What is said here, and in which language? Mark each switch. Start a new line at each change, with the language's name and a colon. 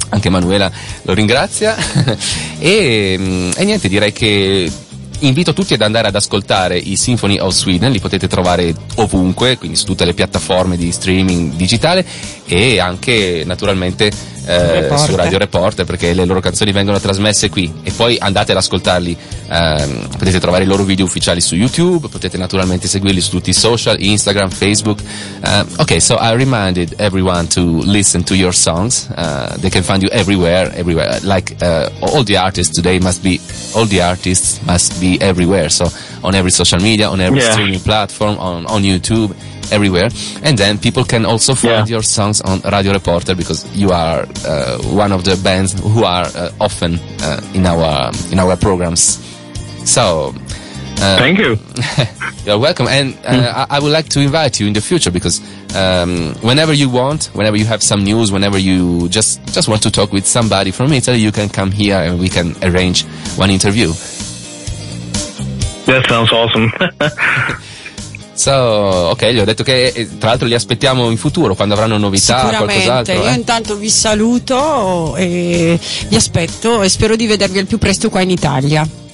Italian: Anche Manuela lo ringrazia e niente, direi che invito tutti ad andare ad ascoltare i Symphony of Sweden, li potete trovare ovunque, quindi su tutte le piattaforme di streaming digitale e anche naturalmente su Radio Reporter, perché le loro canzoni vengono trasmesse qui, e poi andate ad ascoltarli, potete trovare i loro video ufficiali su YouTube, potete naturalmente seguirli su tutti i social, Instagram, Facebook.
English: Ok, so I reminded everyone to listen to your songs, they can find you everywhere, like all the artists today must be, all the artists must be everywhere, so on every social media, on every streaming platform, on YouTube, everywhere, and then people can also find your songs on Radio Reporter, because you are one of the bands who are often in our programs. So thank you. You're welcome, and I would like to invite you in the future, because whenever you want, whenever you have some news, whenever you just want to talk with somebody from Italy, you can come here and we can arrange one interview. That sounds awesome.
Italian: So, ok, gli ho detto che tra l'altro li aspettiamo in futuro quando avranno novità, sicuramente, qualcos'altro. Io intanto vi saluto e vi aspetto e spero di vedervi al più presto qua in Italia.